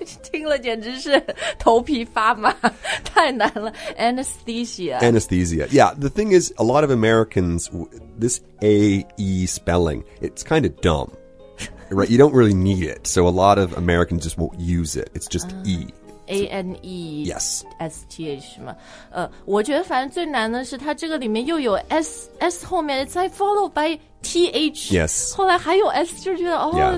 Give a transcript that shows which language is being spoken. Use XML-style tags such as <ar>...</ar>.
<zh>听了简直是头皮发麻，太难了。</zh> <en>Anesthesia. Anesthesia. Yeah, the thing is, a lot of Americans, this A-E spelling, it's kind of dumb. Right? You don't really need it. So a lot of Americans just won't use it. It's just E. A-N-E. Yes. S-T-H</en> <zh>是吗？我觉得反正最难的是它这个里面又有 S 后面</zh> <en>it's like followed by T-H. Yes.</en> <zh>后来还有 S 就觉得 oh,、yeah.</zh>